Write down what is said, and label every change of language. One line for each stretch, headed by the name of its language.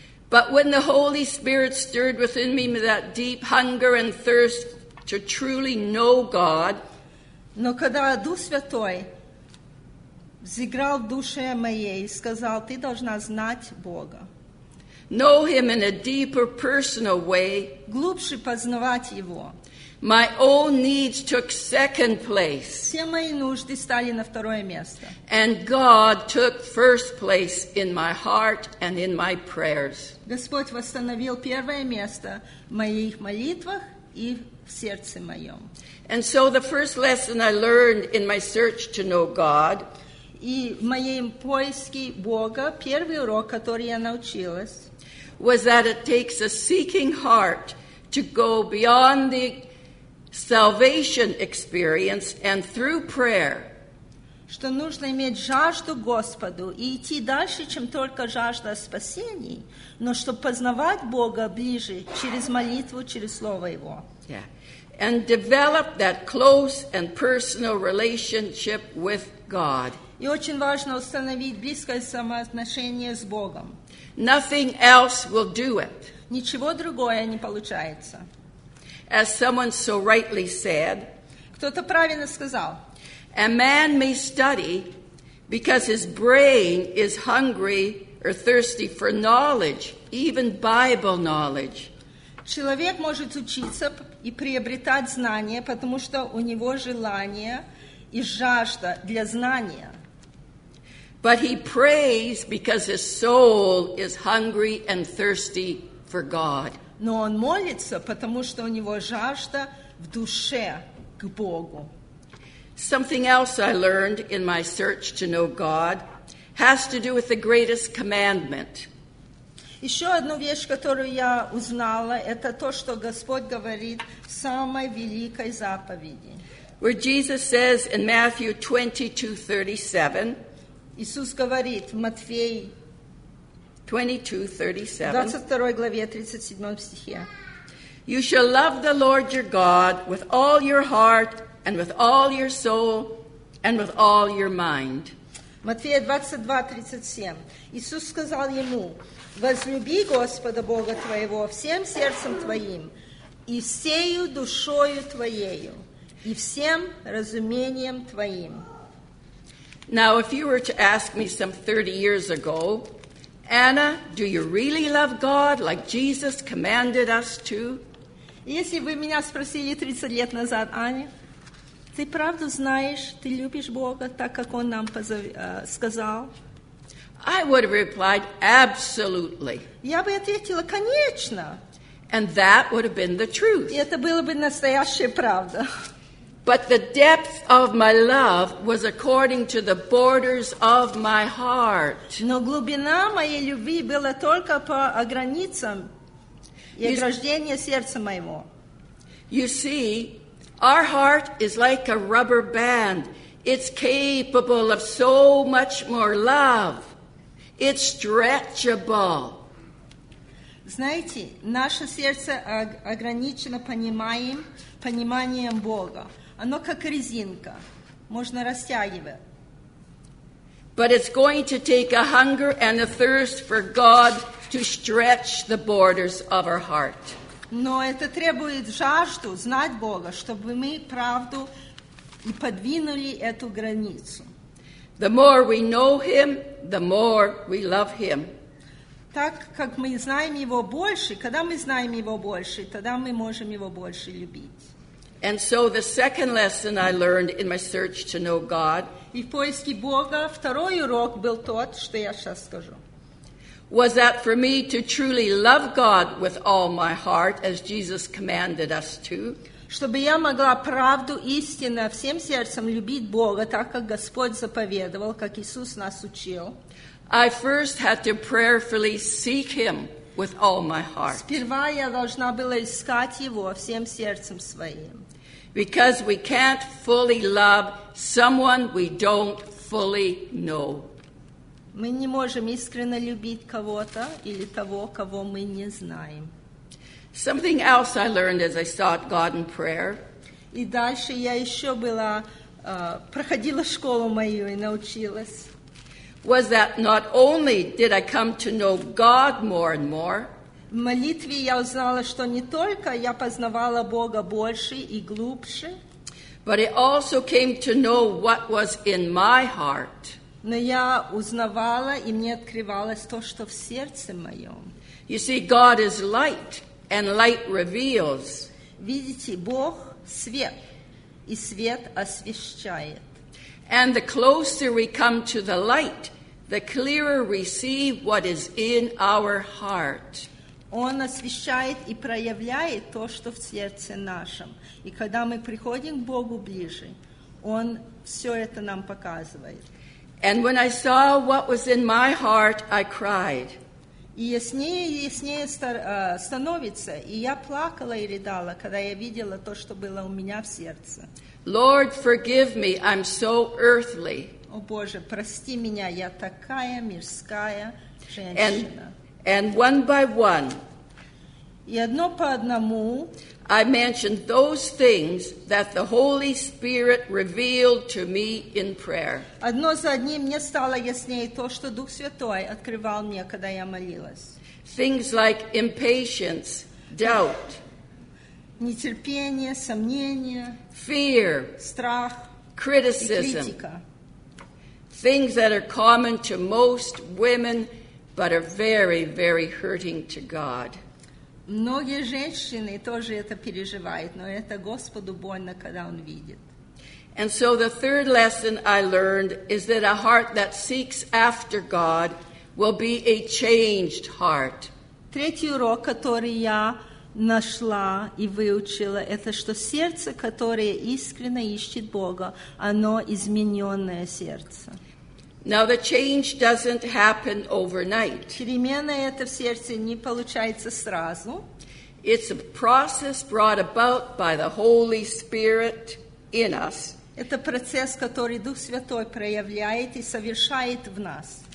English: But when the Holy Spirit stirred within me that deep hunger and thirst to truly know God,
Russian: но когда Дух Святой взыграл в душе моей и сказал, ты должна знать Бога.
English: Know him in a deeper personal way.
Russian: Глубже познавать его.
English: My own needs took second place.
Russian: Все мои нужды стали на второе место.
English: And God took first place in my heart and in my prayers.
Russian: Господь восстановил первое место в моих молитвах и в сердце моем.
English: And so the first lesson I learned in my search to know God,
Russian: и в моем поиске Бога первый урок, который я научилась,
English: was that it takes a seeking heart to go beyond the salvation experience and through prayer.
Russian: Что нужно иметь жажду Господу и идти дальше, чем только жажда спасений, но чтобы познавать Бога ближе через молитву, через Слово Его.
English: Yeah. And develop that close and personal relationship with God.
Russian: И очень важно установить близкое самоотношение с Богом.
English: Nothing else will do it.
Russian: Ничего другое не получается.
English: As someone so rightly said,
Russian: кто-то правильно сказал,
English: a man may study because his brain is hungry or thirsty for knowledge, even Bible knowledge.
Russian: Человек может учиться и приобретать знания, потому что у него желание и жажда для знания.
English: But he prays because his soul is hungry and thirsty for God.
Russian: Но он молится, потому что у него жажда в душе к Богу.
English: Something else I learned in my search to know God has to do with the greatest commandment.
Russian: Еще одну вещь, которую я узнала, это то, что Господь говорит в самой великой заповеди.
English: Where Jesus says in Matthew 22:37,
Russian: Иисус говорит в Матфеи 22:37, главе 37 стихе.
English: You shall love the Lord your God with all your heart and with all your soul and with all your mind.
Russian: Матфея 22:37. Иисус сказал ему: возлюби Господа Бога твоего всем сердцем твоим и всею душою твоею и всем разумением твоим.
English: Now, if you were to ask me some 30 years ago, Anna, do you really love God like Jesus commanded us to?
Russian: Если бы меня спросили 30 лет назад, Аня, ты правду знаешь, ты любишь Бога так, как Он нам сказал?
English: I would have replied, absolutely.
Russian: Я бы ответила, конечно.
English: And that would have been the truth.
Russian: И это было бы настоящая правда.
English: But the depth of my love was according to the borders of my heart.
Russian: Но глубина моей любви была только по границам и ограждения сердца моего.
English: You see, our heart is like a rubber band. It's capable of so much more love. It's stretchable.
Russian: Знаете, наше сердце ограничено пониманием Бога. Оно как резинка, можно растягивать.
English: But it's going to take a hunger and a thirst for God to stretch the borders of our heart.
Russian: Но это требует жажду знать Бога, чтобы мы правду и подвинули эту границу.
English: The more we know Him, the more we love Him.
Russian: Так как мы знаем Его больше, когда мы знаем Его больше, тогда мы можем Его больше любить.
English: And so the second lesson I learned in my search to know God was that for me to truly love God with all my heart, as Jesus commanded us to,
Russian: чтобы я могла правду истинно всем сердцем любить Бога, так как Господь заповедовал, как Иисус нас учил,
English: I first had to prayerfully seek Him with all my heart.
Russian: Сперва я должна была искать Его всем сердцем своим.
English: Because we can't fully love someone we don't fully know.
Russian: Мы не можем искренне любить кого-то или того, кого мы не знаем.
English: Something else I learned as I sought God in prayer.
Russian: И дальше я еще была проходила школу мою и научилась.
English: Was that not only did I come to know God more and more?
Russian: В молитве я узнала, что не только я познавала Бога больше и глубже,
English: but it also came to know what was in my heart.
Russian: Но я узнавала, и мне открывалось то, что в сердце моем.
English: You see, God is light, and light reveals.
Russian: Видите, Бог — свет, и свет освещает.
English: And the closer we come to the light, the clearer we see what is in our heart.
Russian: Он освещает и проявляет то, что в сердце нашем. И когда мы приходим к Богу ближе, Он все это нам показывает.
English: And when I saw what was in my heart, I cried.
Russian: И яснее становится, и я плакала и рыдала, когда я видела то, что было у меня в сердце.
English: Lord, forgive me, I'm so earthly.
Russian: О Боже, прости меня, я такая мирская женщина.
English: And one by one,
Russian: и одно по одному,
English: I mentioned those things that the Holy Spirit revealed to me in prayer.
Russian: Одно за одним мне стало яснее то, что Дух Святой открывал мне, когда я молилась.
English: Things like impatience, doubt,
Russian: нетерпение, сомнение,
English: fear,
Russian: страх,
English: criticism,
Russian: и критика.
English: Things that are common to most women but are very, very hurting to God.
Russian: Многие женщины тоже это переживают, но это Господу больно, когда Он видит.
English: And so the third lesson I learned is that a heart that seeks after God will be a changed heart.
Russian: Третий урок, который я нашла и выучила, это что сердце, которое искренне ищет Бога, оно измененное сердце.
English: Now the change doesn't happen overnight.
Russian: Перемена эта в сердце не получается сразу.
English: It's a process brought about by the Holy Spirit in us.
Russian: Это процесс, который Дух Святой проявляет и совершает в нас.